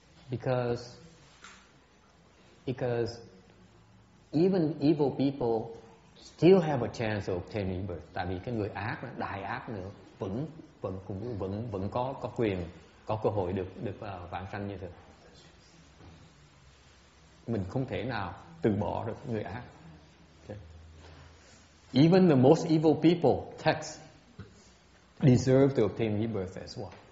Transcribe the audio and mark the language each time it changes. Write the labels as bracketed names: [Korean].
[English] Because even evil people still have a chance of obtaining rebirth. [Vietnamese] Tại vì cái người ác, đại ác nữa vẫn có quyền, có cơ hội được vãng sanh như thường. Mình không thể nào từ bỏ được người ác. Okay. [English] Even the most evil people, texts, deserve to obtain rebirth as well.